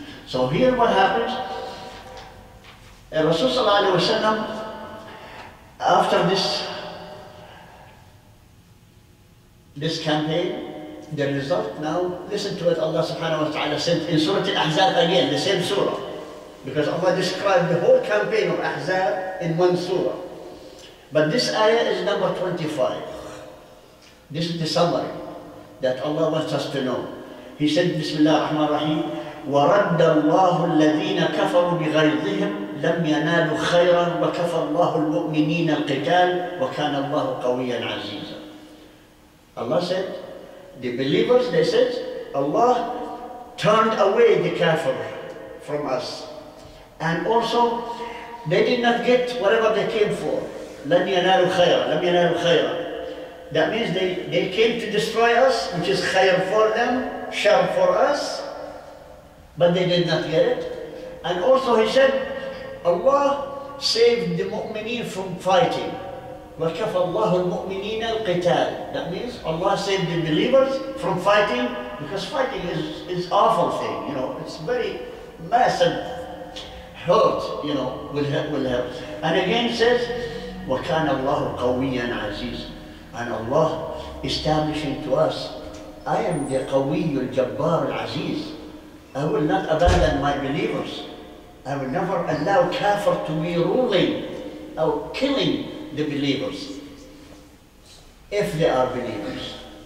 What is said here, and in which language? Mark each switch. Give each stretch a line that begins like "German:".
English: So here what happens, Rasul sallallahu alaihi wasallam, after this campaign, the result now, listen to what Allah subhanahu wa ta'ala sent in Surah Al-Ahzab again, the same surah. Because Allah described the whole campaign of Ahzab in one surah. But this ayah is number 25. This is the summary that Allah wants us to know. He said,
Arabic: Bismillah ar-Rahman ar-Rahim, وَرَدَّ اللَّهُ الَّذِينَ كَفَرُوا بِغَيْظِهِمْ لَمْ يَنَالُوا خَيْرًا وَكَفَى اللَّهُ الْمُؤْمِنِينَ الْقِتَالِ وَكَانَ اللَّهُ قَوِيًّا عَزِيزًا.
English: Allah said, the believers, they said, Allah turned away the kafir from us. And also, they did not get whatever they came for.
Arabic: لَمْ يَنَالُوا خَيْرًا لَمْ يَنَالُوا خَيْرًا.
English: That means they came to destroy us, which is khayr for them, shar for us, but they did not get it. And also he said, Allah saved the mu'mineen from fighting.
Arabic: وَكَفَى اللَّهُ الْمُؤْمِنِينَ الْقِتَالِ.
English: That means Allah saved the believers from fighting, because fighting is awful thing, you know. It's very massive hurt, you know, will help. And again says,
Arabic: وَكَانَ اللَّهُ قَوِيًّا عَزِيزًا.
English: And Allah establishing to us, I am the
Arabic: قَوِيُّ الْجَبَّارُ الْعَزِيزُ.
English: I will not abandon my believers. I will never allow kafir to be ruling or killing the believers, if they are believers.